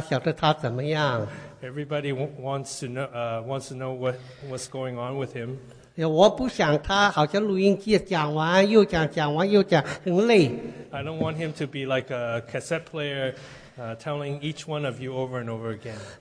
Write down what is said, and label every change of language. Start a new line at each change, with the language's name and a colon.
English: Everybody wants to know what's going on with him.
Chinese: 我不想他好像录音机讲完又讲，讲完又讲，很累。
English: I don't want him to be like a cassette player telling each one of you over and over again.